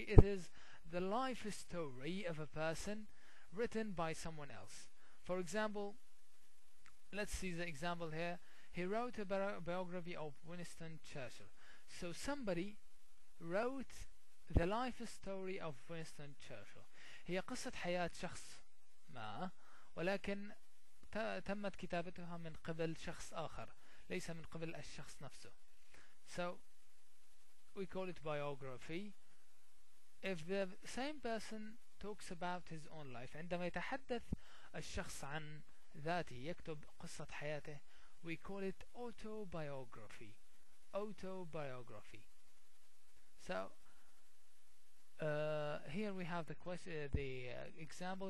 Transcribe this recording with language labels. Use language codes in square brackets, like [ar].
[en] It is the life story of a person written by someone else. For example, let's see the example here. He wrote a biography of Winston Churchill. So somebody wrote the life story of Winston Churchill. [ar] هي قصة حياة شخص ما, ولكن تمت كتابتها من قبل شخص آخر, ليس من قبل الشخص نفسه. [en] So we call it biography. If the same person talks about his own life, [ar] عندما يتحدث الشخص عن ذاته, يكتب قصة حياته, [en] we call it autobiography. Autobiography. So here we have the question, example.